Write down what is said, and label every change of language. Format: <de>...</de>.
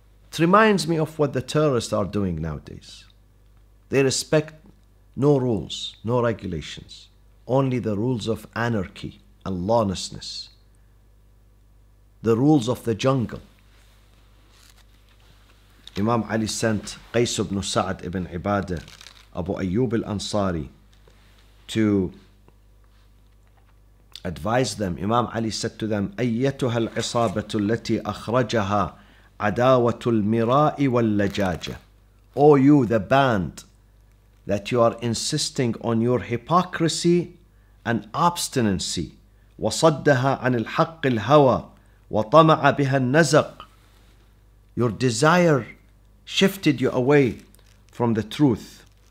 <en>It reminds me of what the terrorists are doing nowadays. They respect no rules, no regulations, only the rules of anarchy and lawlessness. The rules of the jungle. Imam Ali sent Qais ibn Sa'd ibn Ibadah, Abu Ayyub al-Ansari, to advise them. Imam Ali said to them,</en> <ar>أيتها العصابة التي أخرجها عداوة المراء واللجاجة.</ar> <en>O you, the band, that you are insisting on your hypocrisy and obstinacy,</en> <ar>وصدها عن الحق الهوى وَطَمَعَ بِهَا النَّزَقِ.</ar> <en>Your desire shifted you away from the truth.</en>